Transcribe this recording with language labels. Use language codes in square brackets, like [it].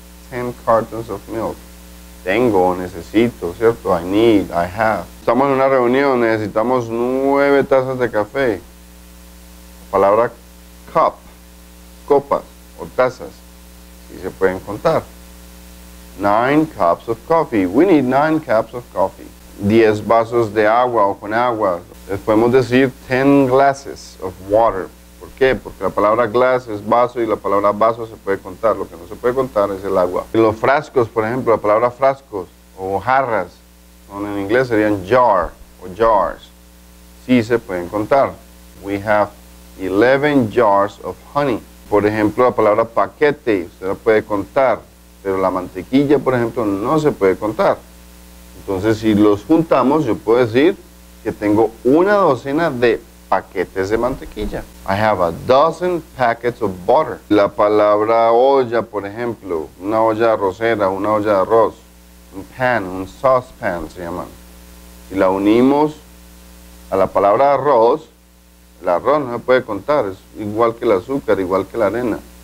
[en] 10 cartons of milk. [es] Tengo, necesito, ¿cierto? [en] I need, I have. [es] Estamos en una reunión, necesitamos 9 tazas de café. La palabra cup, copas o tazas, si se pueden contar. [en] 9 cups of coffee, we need 9 cups of coffee. [es] 10 vasos de agua o con agua. Les podemos decir [en] 10 glasses of water. [es] ¿Por qué? Porque la palabra glass es vaso y la palabra vaso se puede contar. Lo que no se puede contar es el agua. Y los frascos, por ejemplo, la palabra frascos o jarras, son en inglés serían jar o jars. Sí se pueden contar. [en] We have 11 jars of honey. [es] Por ejemplo, la palabra paquete, usted la puede contar. Pero la mantequilla, por ejemplo, no se puede contar. Entonces, si los juntamos, yo puedo decir que tengo una docena de paquetes de mantequilla. [en] I have a dozen packets of butter. [es] La palabra olla, por ejemplo, una olla arrocera, una olla de arroz, un pan, un saucepan se llaman. Si la unimos a la palabra arroz, el arroz no se puede contar, es igual que el azúcar, igual que la arena.